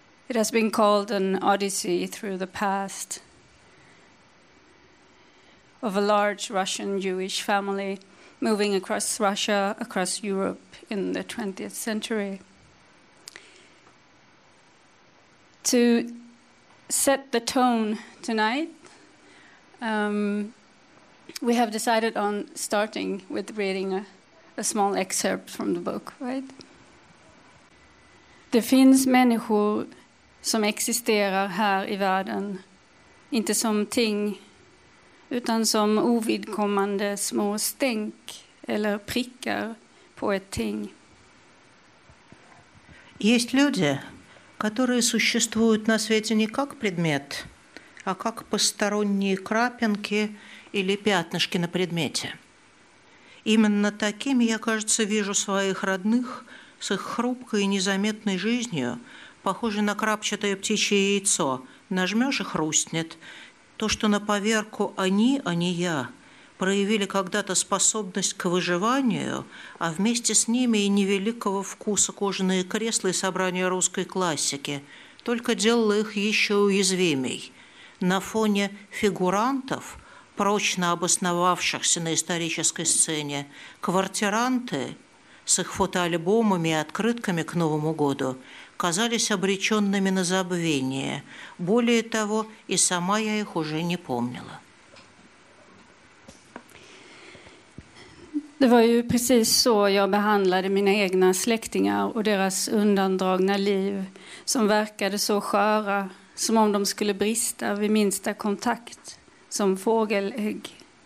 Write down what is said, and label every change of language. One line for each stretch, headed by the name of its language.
English: It has been called an odyssey through the past of a large Russian Jewish family moving across Russia, across Europe in the 20th century. To set the tone tonight, we have decided on starting with reading a small excerpt from the book, right?
Swedish: Det finns människor som existerar här i världen, inte som ting, utan som ovidkommande små stänk eller prickar på ett ting.
Russian: Есть люди, которые существуют на свете не как предмет, а как посторонние крапинки или пятнышки на предмете. Именно такими я, кажется, вижу своих родных с их хрупкой и незаметной жизнью, похожей на крапчатое птичье яйцо. Нажмешь и хрустнет. То, что на поверку они, а не я, проявили когда-то способность к выживанию, а вместе с ними и невеликого вкуса кожаные кресла и собрания русской классики, только делало их еще уязвимей. На фоне фигурантов, прочно обосновавшихся на исторической сцене, квартиранты с их фотоальбомами и открытками к Новому году казались обреченными на забвение. Более того, и сама я их уже не помнила.
Swedish: Det var ju precis så jag behandlade mina egna släktingar och deras undandragna liv, som verkade så sköra, som om de skulle brista vid minsta kontakt, som fågelägg.